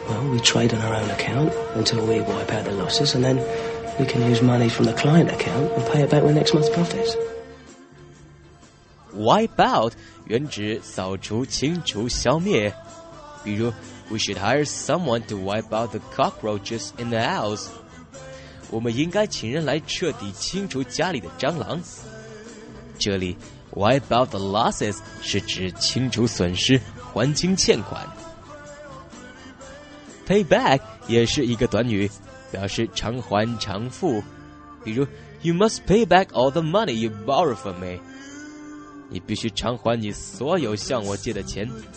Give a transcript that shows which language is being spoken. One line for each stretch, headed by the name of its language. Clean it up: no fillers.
English: We trade on our own account until we wipe out the losses, and then we can use money from the client account and pay it back with next month's profits.
Chinese: Wipe out 原指扫除、清除、消灭。
English: 比如 ，We should hire someone to wipe out the cockroaches in the house.
Chinese: 我们应该请人来彻底清除家里的蟑螂。这里
English: wipe out the losses
Chinese: 是指清除损失、还清欠款。 Pay back 也是一个短语，表示偿还偿付。
English: 比如 You must pay back all the money you borrowed from me，
Chinese: 你必须偿还你所有向我借的钱。